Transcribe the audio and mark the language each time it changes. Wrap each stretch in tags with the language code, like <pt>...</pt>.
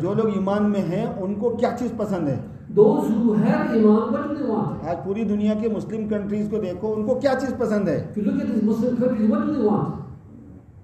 <hi>जो लोग ईमान में हैं, उनको क्या चीज पसंद है?</hi> <en>Those who have iman, what do they want?</en> <hi>आज पूरी दुनिया के मुस्लिम कंट्रीज को देखो, उनको क्या चीज पसंद है?</hi> <en>If you look at these Muslim countries, what do they want?</en>